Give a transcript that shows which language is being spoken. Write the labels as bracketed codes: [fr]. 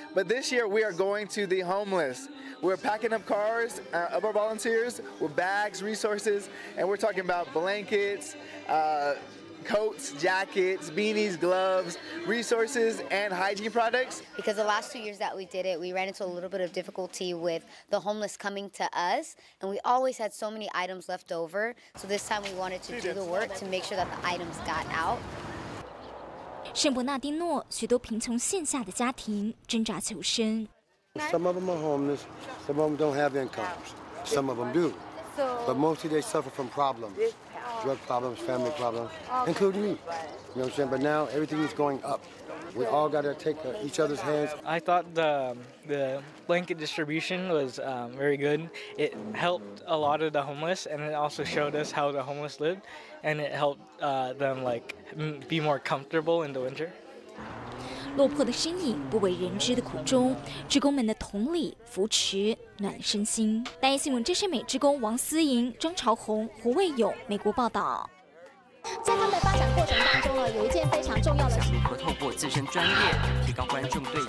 [en] But this year, we are going to the homeless. We're packing up cars of our volunteers with bags, resources, and we're talking about blankets, coats, jackets, beanies, gloves, resources, and hygiene products. Because the last 2 years that we did it, we ran into a little bit of difficulty with the homeless coming to us, and we always had so many items left over. So this time we wanted to do the work to make sure that the items got out. [zh] 圣伯纳丁诺，许多贫穷线下的家庭挣扎求生。 [en] Some of them are homeless. Some of them don't have incomes. Some of them do. But mostly they suffer from problems. Drug problems, family problems, including me. You know what I'm saying? But now everything is going up. We all got to take each other's hands. I thought the blanket distribution was very good. It helped a lot of the homeless, and it also showed us how the homeless lived, and it helped them like be more comfortable in the winter. [zh] 落魄的身影，不为人知的苦衷，职工们的同理扶持，暖身心。大爱新闻真善美职工王思莹、张朝红、胡卫勇，美国报道。在他们的发展过程当中呢，有一件非常重要的事，如何透过自身专业提高观众对